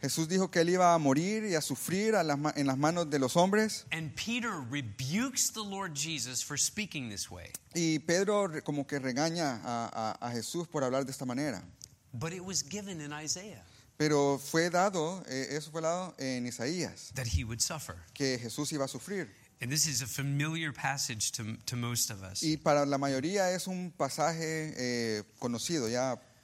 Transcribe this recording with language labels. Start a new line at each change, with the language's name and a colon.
Spanish: Jesús dijo que él iba a morir y a sufrir en las manos de los hombres.
English: And Peter rebukes the Lord Jesus for speaking this way.
Spanish: Y Pedro como que regaña a Jesús por hablar de esta manera.
English: But it was given in Isaiah.
Spanish: Pero fue dado, eso fue dado en Isaías.
English: That he would suffer.
Spanish: Que Jesús iba a sufrir.
English: And this is a familiar passage to most of us.
Spanish: Y para la mayoría es un pasaje conocido ya.